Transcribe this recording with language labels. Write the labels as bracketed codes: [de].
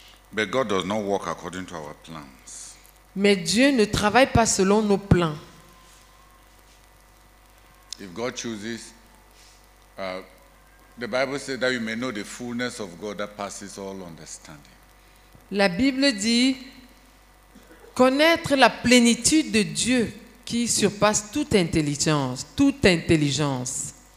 [en] But God does not work according to our plans. [fr] Mais Dieu ne travaille pas selon nos plans. [en] If God chooses, the Bible says that you may know the fullness of God that passes all understanding. [fr] La Bible dit connaître la plénitude de Dieu qui surpasse toute intelligence, toute intelligence.